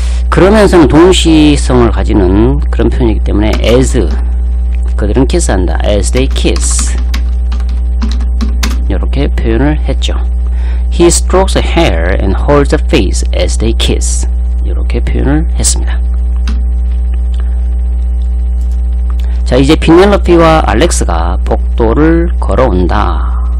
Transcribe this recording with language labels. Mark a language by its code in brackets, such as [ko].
[ko] 그러면서는 동시성을 가지는 그런 표현이기 때문에 as 그들은 키스한다. [en] As they kiss. [ko] 이렇게 표현을 했죠. [en] He strokes her hair and holds her face as they kiss. [ko] 이렇게 표현을 했습니다. 자, 이제 피넬로피와 알렉스가 복도를 걸어온다.